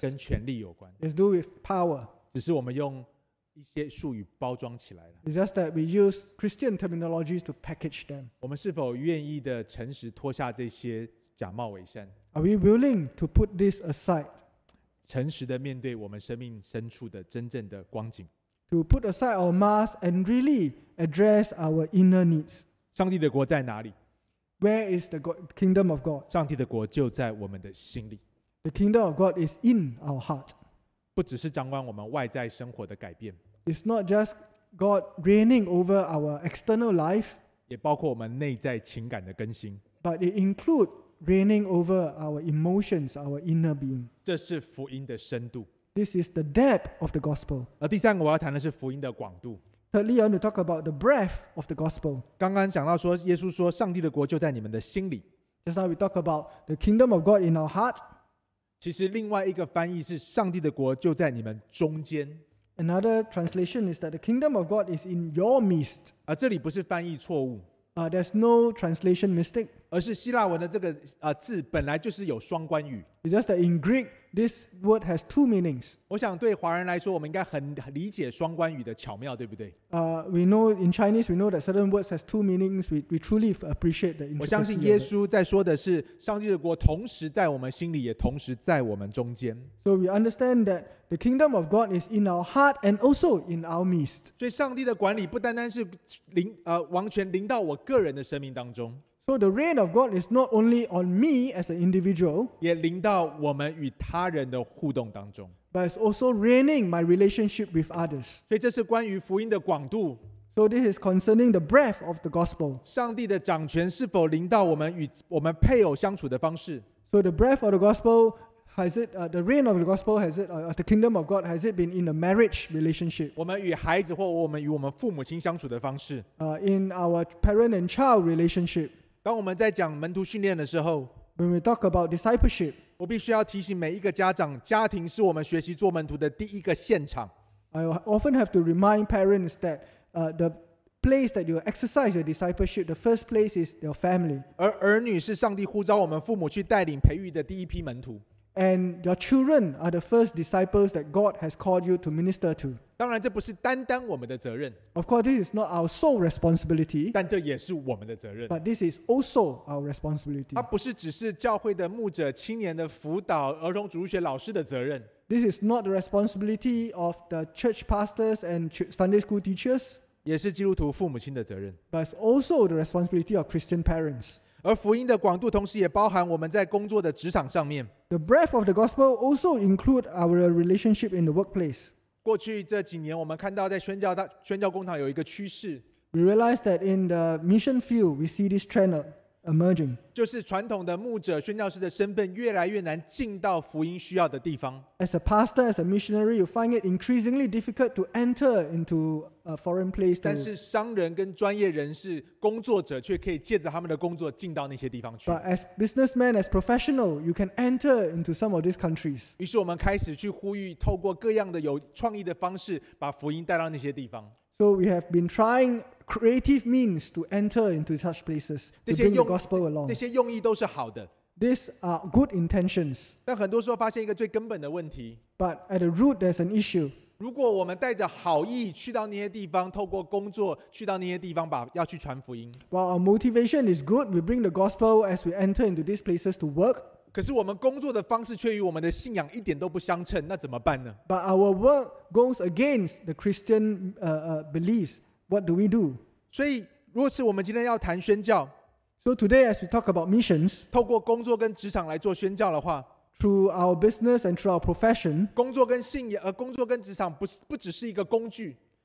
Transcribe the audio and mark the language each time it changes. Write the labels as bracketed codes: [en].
[zh] 跟权力有关。 [en] It has to do with power. [zh] 只是我们用一些术语包装起来了。 [en] It's just that we use Christian terminologies to package them. [zh] 我们是否愿意的诚实脱下这些假冒伪善 [en] ？Are we willing to put this aside? [zh] 诚实的面对我们生命深处的真正的光景。 [en] To put aside our masks and really address our inner needs. [zh] 上帝的国在哪里 [en] ？Where is the kingdom of God? [zh] 上帝的国就在我们的心里。 [en] The kingdom of God is in our heart. [zh] 不只是掌管我们外在生活的改变 [en] It's not just God reigning over our external life [zh] 也包括我们内在情感的更新 [en] But it includes reigning over our emotions, our inner being [zh] 这是福音的深度 [en] This is the depth of the gospel [zh] 而第三个我要谈的是福音的广度 [en] Thirdly, I want to talk about the breadth of the gospel [zh] 刚刚讲到说耶稣说上帝的国就在你们的心里 [en] Just now we talk about the kingdom of God in our heart [zh] 其实另外一个翻译是上帝的国就在你们中间 [en] Another translation is that the kingdom of God is in your midst [zh] 这里不是翻译错误 [en] There's no translation mistake [zh] 而是希腊文的这个字本来就是有双关语 [en] It's just that in Greek this word has two meanings [zh] 我想对华人来说我们应该很理解双关语的巧妙对不对 [en] We know in Chinese we know that certain words has two meanings we truly appreciate the intricacy [zh] 我相信耶稣在说的是上帝的国同时在我们心里也同时在我们中间 [en] So we understand that the kingdom of God is in our heart and also in our midst [zh] 所以上帝的管理不单单是完全临到我个人的生命当中 [en] So the reign of God is not only on me as an individual, [zh] 也临到我们与他人的互动当中 [en] but it's also reigning my relationship with others. [zh] 所以这是关于福音的广度 [en] So this is concerning the breadth of the gospel. [zh] 上帝的掌权是否临到我们与我们配偶相处的方式 [en] So the breadth of the gospel has it the reign of the gospel has it the kingdom of God has it been in a marriage relationship? [zh] 我们与孩子或我们与我们父母亲相处的方式 [en] in our parent and child relationship. [zh] 当我们在讲门徒训练的时候 [en] When we talk about discipleship, [zh] 我必须要提醒每一个家长家庭是我们学习做门徒的第一个现场 [en] I often have to remind parents that the place that you exercise your discipleship the first place is your family [zh] 而儿女是上帝呼召我们父母去带领培育的第一批门徒 [en] And your children are the first disciples that God has called you to minister to [zh] 当然这不是单单我们的责任 [en] Of course, this is not our sole responsibility [zh] 但这也是我们的责任 [en] But this is also our responsibility [zh] 它不是只是教会的牧者青年的辅导儿童主日学老师的责任 [en] This is not the responsibility of the church pastors and Sunday school teachers [zh] 也是基督徒父母亲的责任 [en] But it's also the responsibility of Christian parents [zh] 而福音的广度同时也包含我们在工作的职场上面 [en] The breadth of the gospel also includes our relationship in the workplace [zh] 过去这几年我们看到在宣教工厂有一个趋势 [en] We realize that in the mission field we see this trend emerging [zh] 就是传统的牧者宣教师的身份越来越难进到福音需要的地方 [en] As a pastor, as a missionary you find it increasingly difficult to enter into a foreign place [zh] 但是商人跟专业人士工作者却可以借着他们的工作进到那些地方去 [en] But as businessmen, as professional you can enter into some of these countries [zh] 于是我们开始去呼吁透过各样的有创意的方式把福音带到那些地方 [en] So we have been trying creative means to enter into such places to bring the gospel along. [zh] 那些用意都是好的。 [en] These are good intentions. [zh] 但很多时候发现一个最根本的问题。 [en] But at the root, there's an issue. [zh] 如果我们带着好意去到那些地方，透过工作去到那些地方，把要去传福音。 [en] While our motivation is good, we bring the gospel as we enter into these places to work. [zh] 可是我们工作的方式却与我们的信仰一点都不相称，那怎么办呢？ [en] But our work goes against the Christian beliefs. What do we do? [zh] 所以，如果是我们今天要谈宣教， [en] So today as we talk about missions, [zh] 透过工作跟职场来做宣教的话， [en] through our business and through our profession, [zh] 工作跟信仰，工作跟职场不只是一个工具。